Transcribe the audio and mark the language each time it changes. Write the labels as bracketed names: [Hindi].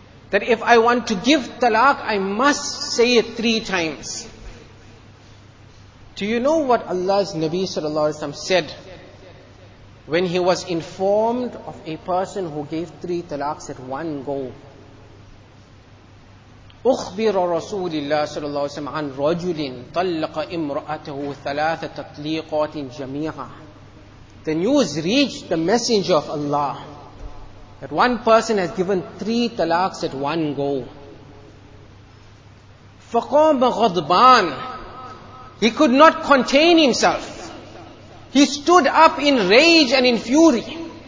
[English] That if I want to give talaq, I must say it three times. Do you know what Allah's Nabi sallallahu alaihi wasallam said when he was informed of a person who gave three talaqs at one go? [Arabic] أخبر رسول الله صلى الله عليه وسلم عن رجل طلق امرأته ثلاثة تطليقات جميعا. [English] The news reached the Messenger of Allah that one person has given three talaqs at one go. [Arabic] فَقَامَ غَضْبَانَ. [English] He could not contain himself. He stood up in rage and in fury.